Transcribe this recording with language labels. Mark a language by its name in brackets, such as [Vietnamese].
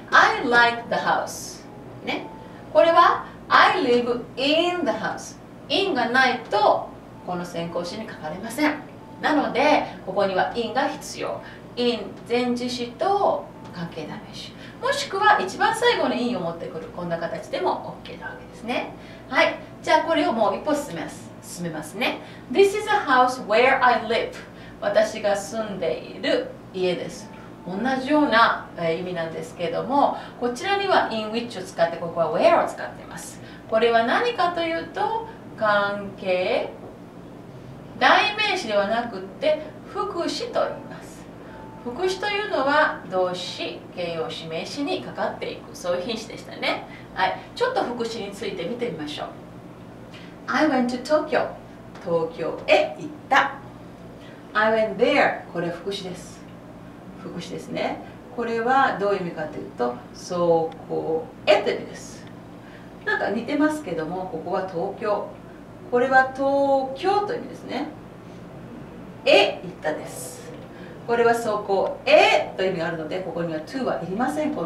[English] I like the house、 [Japanese] ね、これは [English] I live in the house、 [Japanese] in がないとこの先行詞に書かれません。なのでここには in が必要。in 前置詞と関係代名詞、もしくは一番最後に in を持ってくる、こんな形でも OK なわけですね。はい、じゃあこれをもう一歩進めますね。 [English] This is a house where I live、 [Japanese] 私が住んでいる家です。同じような意味なんですけども、こちらには in which を使って、ここは where を使っています。これは何かというと、関係代名詞ではなくて副詞と言います。副詞というのは動詞、形容詞、名詞にかかっていく、そういう品詞でしたね。はい、ちょっと副詞について見てみましょう。 [English] I went to Tokyo、 [Japanese] 東京へ行った。 [English] I went there、 [Japanese] これ副詞です。副詞ですね。これはどういう意味かというと、そこへという意味です。なんか似てますけども、ここは東京、これは東京という意味ですね。へ行ったです。これはそこへという意味があるので、ここには to はいりません。